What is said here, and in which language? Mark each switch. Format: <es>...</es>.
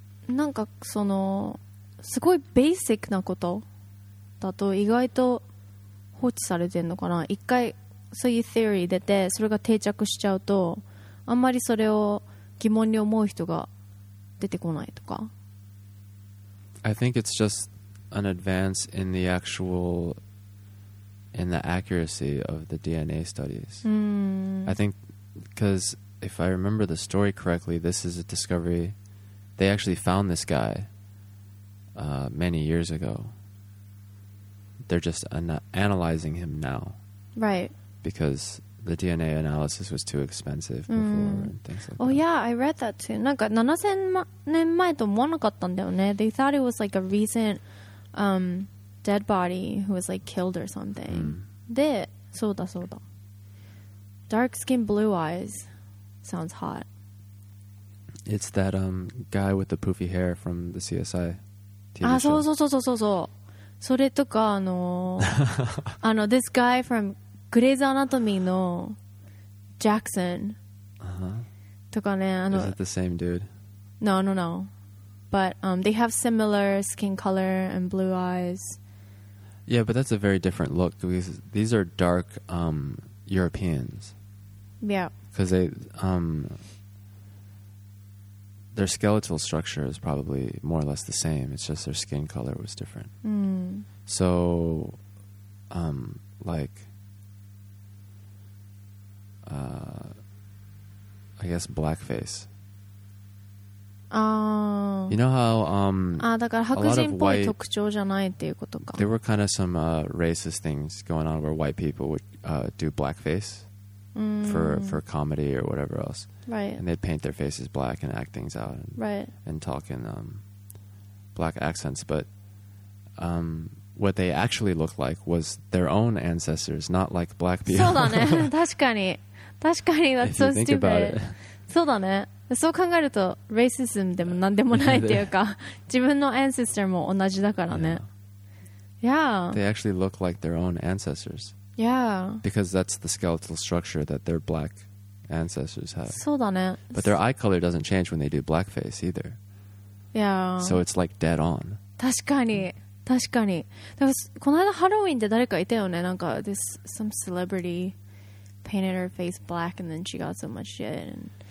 <ja>なんかそのすごいベーシックなことだと意外と放置されてんのかな。一回そういうテーリー出てそれが定着しちゃうとあんまりそれを疑問に思う人が出てこないとか。</ja> <en>I think it's just an advance in the actual, in the accuracy of the DNA studies. I think, because if I remember the story correctly, this is a discovery. They actually found this guy many years ago. They're just analyzing him now. Right. Because the DNA analysis was too expensive before and things like oh, that. Oh yeah, I read that too.</en> <ja>なんか7000年前と思わなかったんだよね。</ja> <en>They thought it was like a recent dead body who was like killed or something.</en> <ja>で、そうだそうだ。</ja> <en>Dark skin, blue eyes. Sounds hot. It's that guy with the poofy hair from the CSI TV show.</en> <ja>そうそうそうそうそう。それとかあの、</ja> <en>this guy from...</en> <ja>グレイズアナトミーのジャクソンとかね、あの、</ja> <en>Is it the same dude? No, no, no. But they have similar skin color and blue eyes. Yeah, but that's a very different look. These are dark Europeans. Yeah. Because their skeletal structure is probably more or less the same. It's just their skin color was different. So, like... I guess blackface. You know how</en> <ja>だから白人っぽい特徴じゃないっていうことか。</ja> <en>There were kind of some racist things going on where white people would do blackface for comedy or whatever else. Right. And they'd paint their faces black and act things out. And, right. And talk in black accents. But what they actually looked like was their own ancestors, not like black people.</en> <ja>そうだね。確かに。確かに、</ja> <en>that's so stupid.</en> <ja>そうだね。そう考えると、racism でも何でもないっていうか、自分の ancestor も同じだからね。Yeah.</ja> <en>They actually look like their own ancestors. Yeah. Because that's the skeletal structure that their black ancestors have.</en> <ja>そうだね。</ja> <en>But their eye color doesn't change when they do blackface either. Yeah. So it's like dead on.</en> <ja>確かに。確かに。でも、この間ハロウィンで誰かいたよね。なんか、</ja> <en>this, some celebrity... painted her face black and then she got so much shit and</en>